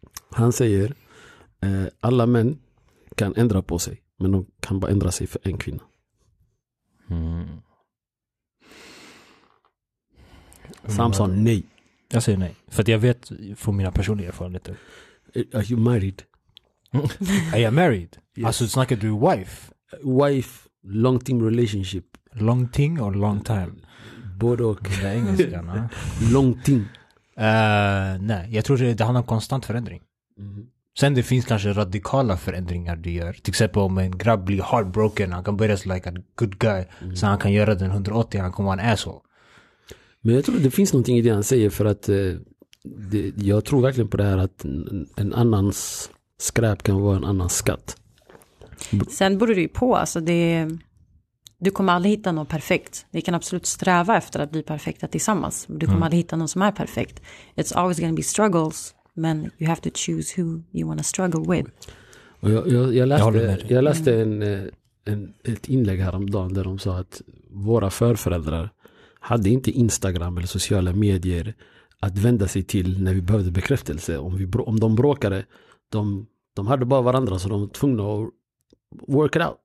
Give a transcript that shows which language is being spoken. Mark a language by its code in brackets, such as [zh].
[sv] Han säger alla män kan ändra på sig, men de kan bara ändra sig för en kvinna. Samson, nej. Jag säger nej. För att jag vet från mina personliga erfarenheter. [en] Are you married? Are you married? Yes. [sv] Alltså, snackar du [en] wife? Wife, long-term relationship. Long-term or long-time? [sv] Både och. Det är engelska, no? [en] Long thing. [sv] Nej, jag tror det handlar om konstant förändring. Mm. Sen det finns kanske radikala förändringar du gör. Till exempel om en grabb blir heartbroken, han kan börja [en] like a good guy, [sv] så han kan göra den 180, han kommer vara en asshole. Men jag tror det finns någonting i det han säger, för att jag tror verkligen på det här att en annans skräp kan vara en annans skatt. Sen beror det ju på, alltså det är... Du kommer aldrig hitta någon perfekt. Vi kan absolut sträva efter att bli perfekta tillsammans. Du kommer aldrig hitta någon som är perfekt. [en] It's always going to be struggles. Men you have to choose who you want to struggle with. [sv] Och jag läste ett inlägg häromdagen där de sa att våra förföräldrar hade inte Instagram eller sociala medier att vända sig till när vi behövde bekräftelse. Om de bråkade, de hade bara varandra, så de var tvungna att [en] work it out.